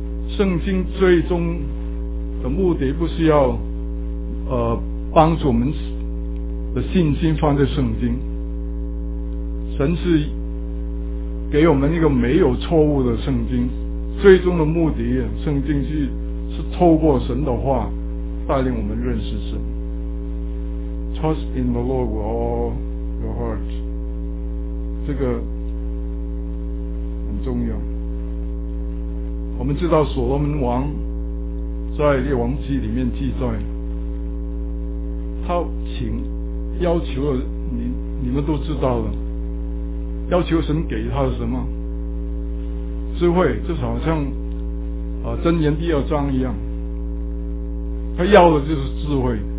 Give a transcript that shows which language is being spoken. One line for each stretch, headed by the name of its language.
Chinese: 圣经最终的目的不是要帮助我们的信心放在圣经，神是给我们一个没有错误的圣经，最终的目的圣经是透过神的话带领我们认识神。
English: Trust in the Lord with all your heart，
Chinese: 这个很重要。我们知道所罗门王在列王记里面记载，他请要求了，你们都知道了，要求神给他什么智慧，就好像箴言第二章一样，他要的就是智慧。